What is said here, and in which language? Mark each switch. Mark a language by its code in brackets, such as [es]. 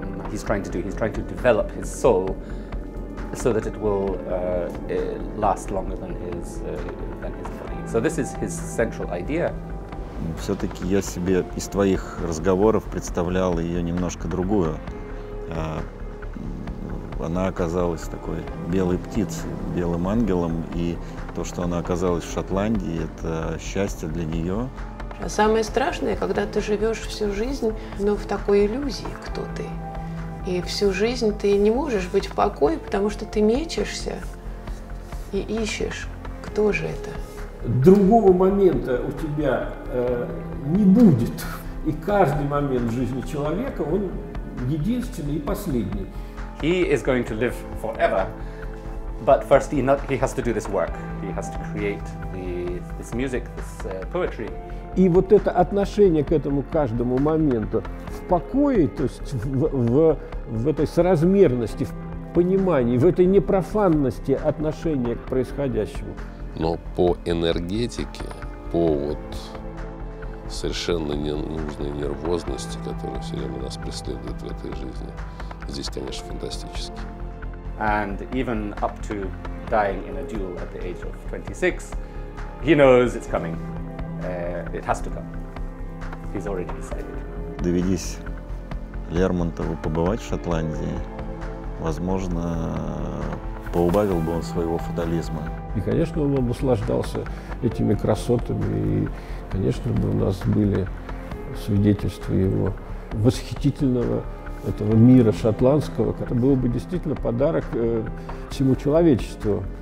[en] He's trying to develop his soul so that it will last longer than his body. So this is his central idea. [ru] Все-таки я себе из твоих разговоров представлял ее немножко другую. Она оказалась такой белой птицей, белым ангелом, и то, что она оказалась в Шотландии, это счастье для нее. А самое страшное, когда ты живешь всю жизнь, ну, в такой иллюзии, кто ты. И всю жизнь ты не можешь быть в покое, потому что ты мечешься и ищешь, кто же это. Другого момента у тебя не будет. И каждый момент жизни человека, он единственный и последний. [en] He is going to live forever, but first he has to do this work. He has to create this music, this poetry. [ru] И вот это отношение к этому каждому моменту в покое, то есть в этой соразмерности, в понимании, в этой непрофанности отношения к происходящему. Но по энергетике, по вот совершенно ненужной нервозности, которая все время нас преследует в этой жизни, здесь, конечно, фантастически. [en] And even up to dying in a duel at the age of 26, he knows it's coming. It has to come. He's already decided. [ru] Доведись Лермонтову побывать в Шотландии, возможно, поубавил бы он своего фатализма. И, конечно, он бы наслаждался этими красотами, и, конечно, бы у нас были свидетельства его восхитительного этого мира шотландского, это был бы действительно подарок всему человечеству.